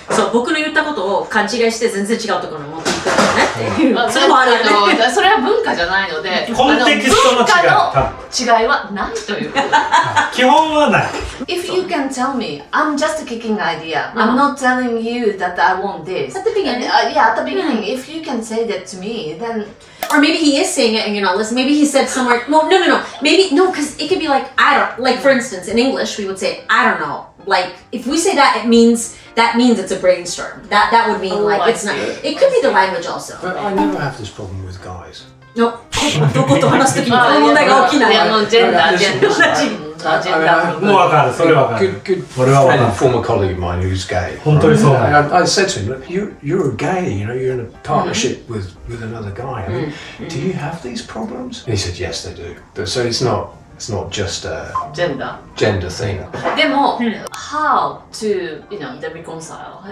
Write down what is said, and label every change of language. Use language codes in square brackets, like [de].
[ja] So, 僕の言ったことを勘違いして全然違うところに持っていくからね。それもあるね。それは文化じゃないので、コンテキストの違い。文化の違いはないということ。基本はない。 [en] If you can tell me, I'm just a kicking idea. I'm not telling you that I want this. At the beginning. And,、yeah, at the beginning.、Mm. If you can say that to me, then... Or maybe he is saying it and you're not listening. Maybe he said somewhere, well, no. Maybe, no, because it could be like, I don't, like for instance, in English, we would say, I don't know. Like, if we say that, it means it's a brainstorm. That would mean、 oh, like, I it's、 see. Not, it could be the language also. But I never have this problem with guys. [ja] No, どこと話すときに問題が大きいな。いや、もうジェンダーで。もう分かる、それ分かる。 [en] Good, good, good friend, former colleague of mine who's gay. [ja] 本当にそうなの。 [en] I said to him, you're gay, you know, you're in a partnership with another guy. I mean, do you have these problems? He said, yes, they do. So it's not just a gender thing. でも、how to, you know, the reconcile?